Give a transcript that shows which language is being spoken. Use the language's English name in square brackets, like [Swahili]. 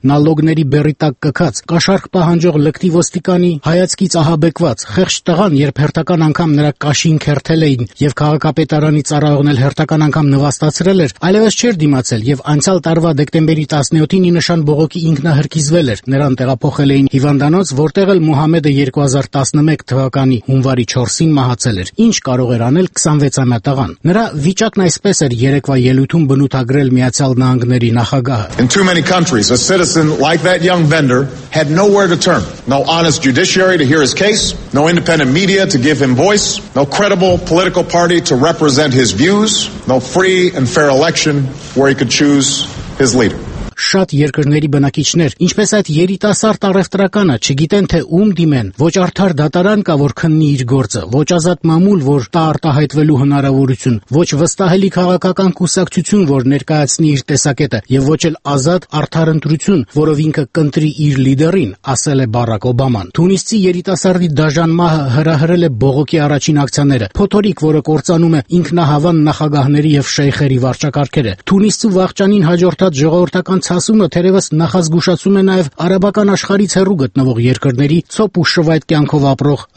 [Armenian] նալոգների բերի տակ կքած, կաշարք պահանջող լկտի ոստիկանի հայացքից ահաբեկված, խեղճ տղան, երբ հերթական անգամ նրա կաշին քերթել էին եւ քաղաքապետարանի ծառայողն էլ հերթական անգամ նվաստացրել էր, այլևս չէր դիմացել եւ անցյալ տարվա դեկտեմբերի 17-ին ի նշան բողոքի ինքնահրկիզվել էր։ Նրան տեղափոխել էին հիվանդանոց, որտեղ էլ Մուհամեդը 2011 թվականի հունվարի 4-ին մահացել էր։ Ինչ կարող էր անել 26-ամյա տղան։ Նրա վիճակն այսպես էր երեկվա ելույթում բնութագրել Միացյալ Նահանգների նախագահը. [English] In too many countries, a citizen like that young vendor had nowhere to turn. No honest judiciary to hear his case, no independent media to give him voice, no credible political party to represent his views, no free and fair election where he could choose his leader. [Armenian] Շատ երկրների բնակիչներ, ինչպես այդ երիտասարդ առևտրականը, չգիտեն թե ում դիմեն, ոչ արդար դատարան կա, որ քննի իր գործը, ոչ ազատ մամուլ, որ տա արտահայտվելու հնարավորություն, ոչ վստահելի քաղաքական կուսակցություն, որ ներկայացնի իր տեսակետը, եւ ոչ էլ ազատ արդարընտրություն, որով ինքը կընտրի իր լիդերին, ասել է Բարակ Օբաման։ Թունիսցի երիտասարդի դաժան մահը հրահրել է բողոքի առաջին ակցիաները, փոթորիկ, որը կործանում է ինքնահավան նախագահների եւ շեյխերի վարչակարգերը։ Թունիսցու վաղճանին հաջորդած ժողովրդական ցասումը թերևս նախազգուշացում է նաև արաբական աշխարհից հեռու գտնվող երկրների ցոփ ու շվայտ կյանքով ապրող